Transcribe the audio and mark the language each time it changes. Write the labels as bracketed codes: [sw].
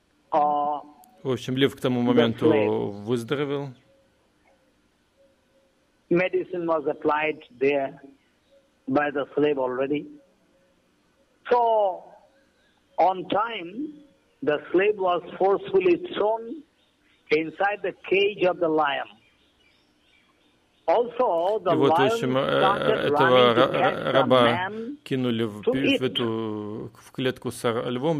[ru] В общем, лев к тому моменту выздоровел. [en] Medicine was applied there by the slave already. So, on time, the slave was forcefully thrown inside the cage of the lion. Also, the lion started running to get the [ru] раба кинули в клетку с львом.